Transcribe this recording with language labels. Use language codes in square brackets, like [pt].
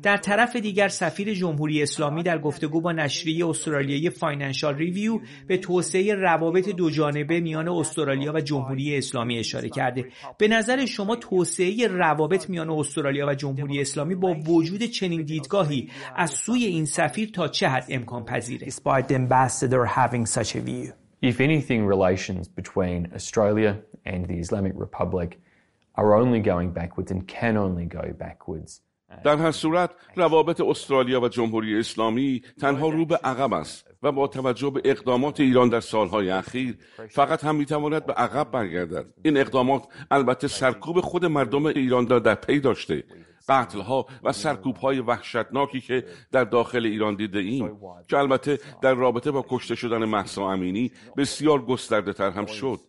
[fa] در طرف دیگر سفیر جمهوری اسلامی در گفتگو با نشریه استرالیایی فاینانشال ریویو به توسعه روابط دو جانبه میان استرالیا و جمهوری اسلامی اشاره کرده. به نظر شما توسعه روابط میان استرالیا و جمهوری اسلامی با وجود چنین دیدگاهی از سوی این سفیر تا چه حد امکان پذیره؟ [en] Despite the ambassador having such a view. If anything, relations between Australia and the Islamic Republic are only going backwards and can only go backwards. [fa] در هر صورت روابط استرالیا و جمهوری اسلامی تنها رو به عقب است و با توجه به اقدامات ایران در سالهای اخیر فقط هم میتواند به عقب برگردد. این اقدامات البته سرکوب خود مردم ایران را در پی داشته، قتل‌ها و سرکوب‌های وحشتناکی که در داخل ایران دیده‌ایم که البته در رابطه با کشته شدن مهسا امینی بسیار گسترده‌تر هم شد.